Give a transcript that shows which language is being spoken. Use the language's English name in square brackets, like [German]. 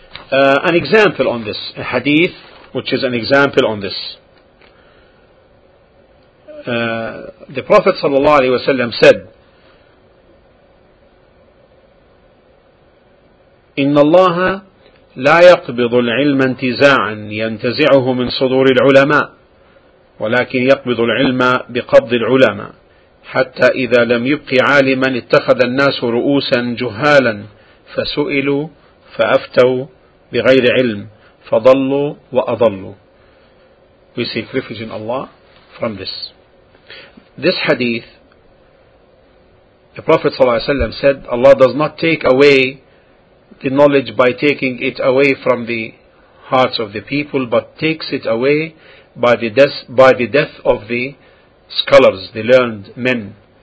[English] An example on this, a hadith, which is an example on this. The Prophet sallallahu alaihi wasallam said, [Arabic] إن الله لا يقبض العلم انتزاعا ينتزعه من صدور العلماء ولكن يقبض العلم بقبض العلماء حتى إذا لم يبقي عالما اتخذ الناس رؤوسا جهالا فسئلوا فأفتوا بغير علم فضلوا وأضلوا. [English] We seek refuge in Allah from this. This hadith, the Prophet ﷺ said, Allah does not take away the knowledge by taking it away from the hearts of the people, but takes it away by the death of the scholars, the learned men.